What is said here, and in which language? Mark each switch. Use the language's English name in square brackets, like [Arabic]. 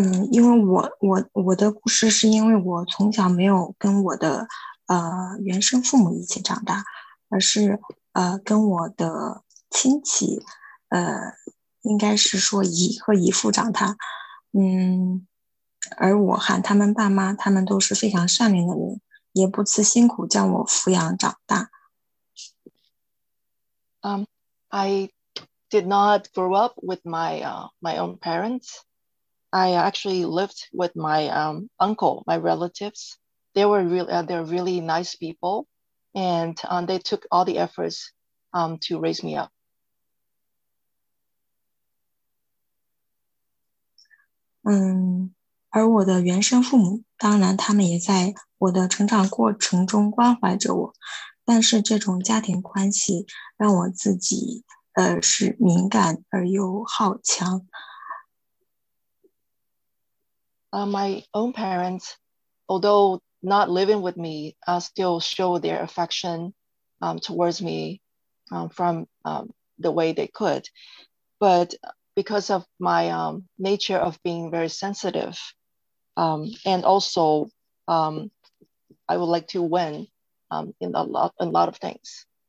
[Chinese] 因为我的故事是因为我从小没有跟我的原生父母一起长大，而是跟我的亲戚应该是说姨和姨父长大，而我喊他们爸妈，他们都是非常善良的人，也不辞辛苦将我抚养长大。 [English] I did not grow up with my own parents. I actually lived with my uncle, my relatives. They were they're really nice people, and they took all the efforts to raise me up. [Chinese] 而我的原生父母，当然他们也在我的成长过程中关怀着我，但是这种家庭关系让我自己是敏感而又好强。 [English] My own parents, although not living with me, still show their affection towards me from the way they could. But because of my nature of being very sensitive, and also I would like to win in a lot of things.